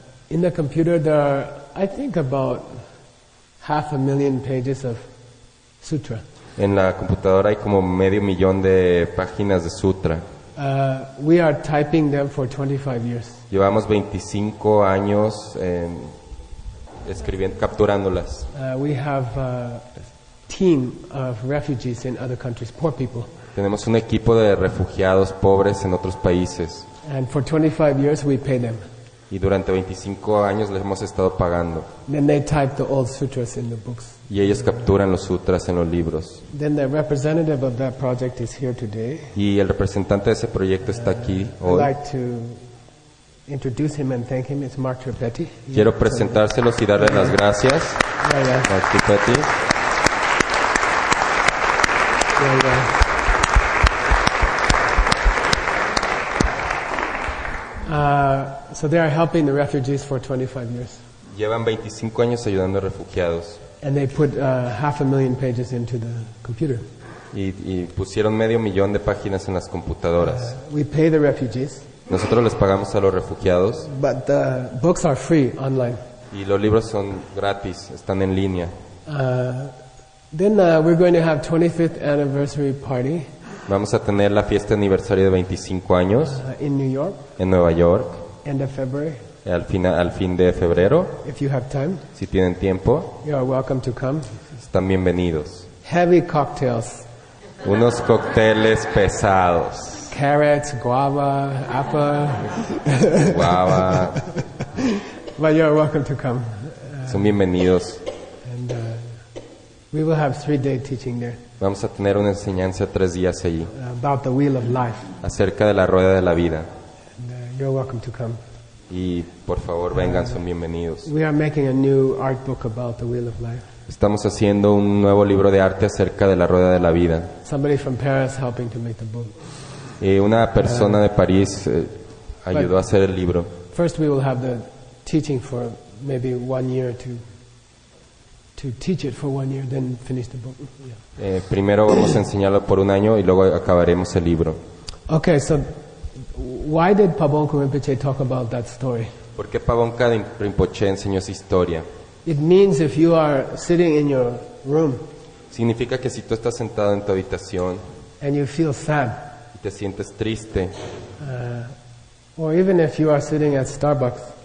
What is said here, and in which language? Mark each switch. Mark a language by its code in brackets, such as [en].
[en] In the computer there are, I think, about 500,000 pages of sutra. [es] En la computadora hay como medio millón de páginas de sutra. [en] We are typing them for 25 years. [es] Llevamos 25 años escribiendo, capturándolas. [en] We have a team of refugees in other countries, poor people. [es] Tenemos un equipo de refugiados pobres en otros países. [en] And for 25 years we pay them. [es] Y durante 25 años les hemos estado pagando. [en] Then they type the old sutras in the books. [es] Y ellos capturan los sutras en los libros. [en] Then the representative of that project is here today. [es] Y el representante de ese proyecto está aquí hoy. [en] I'd like to introduce him and thank him. It's Mark Tripetti. [es] Quiero presentárselos y darles las gracias. [en] Yeah, yeah. Mark Tripetti. Yeah, yeah. So they are helping the refugees for 25 years. [es] Llevan 25 años ayudando a refugiados. [en] And they put 500,000 pages into the computer. [es] Y pusieron medio millón de páginas en las computadoras. [en] We pay the refugees. [es] Nosotros les pagamos a los refugiados. [en] But the books are free online. [es] Y los libros son gratis, están en línea. [en] Then we're going to have 25th anniversary party. [es] Vamos a tener la fiesta de aniversario de 25 años [en] in New York, [es] en Nueva York. [en] End of February. [es] Al fin de febrero. [en] If you have time, [es] si tienen tiempo, [en] you are welcome to come. [es] Están bienvenidos. [en] Heavy cocktails. [es] Unos cócteles pesados. [en] Carrots, guava, apple. Guava. But you are welcome to come. [es] Son bienvenidos. [en] And we will have 3-day teaching there. [es] Vamos a tener una enseñanza 3 días allí. [en] About the wheel of life. [es] Acerca de la rueda de la vida. [en] You're welcome to come. [es] Y por favor vengan, son bienvenidos. [en] We are making a new art book about the wheel of life. [es] Estamos haciendo un nuevo libro de arte acerca de la rueda de la vida. [en] Somebody from Paris helping to make the book. [es] Y una persona de París ayudó a hacer el libro. [en] First we will have the teaching for maybe 1 year or 2. to teach it for 1 year, then finish the book. Yeah. [es] Primero vamos a enseñarlo por un año y luego acabaremos el libro. [en] Okay, so why did Pabongka Rinpoche talk about that story? [es] ¿Por qué Pabongka Rinpoche enseñó esa historia? [en] It means if you are sitting in your room. [es] Significa que si tú estás sentado en tu habitación. [en] And you feel sad. [es] Y te sientes triste. [en] Or even if you are sitting at Starbucks.